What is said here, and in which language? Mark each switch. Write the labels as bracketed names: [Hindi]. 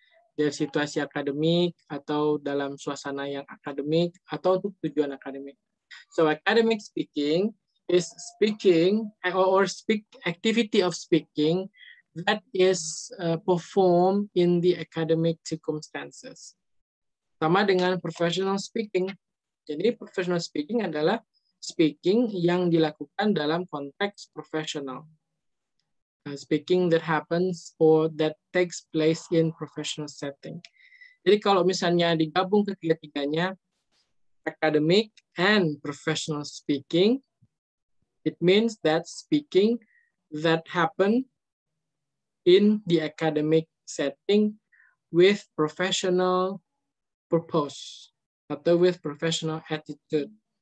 [Indonesian] Di situasi akademik atau dalam suasana yang akademik atau untuk tujuan akademik. [English] So academic speaking is speaking or speak activity of speaking that is performed in the academic circumstances. [Indonesian] Sama dengan professional speaking. Jadi professional speaking adalah speaking yang dilakukan dalam konteks profesional. [English] Speaking that happens or that takes place in professional setting. [Indonesian] Jadi kalau misalnya digabung ketiga-tiganya, [English] academic and professional speaking, it means that speaking that happen in the academic setting with professional purpose atau with professional attitude.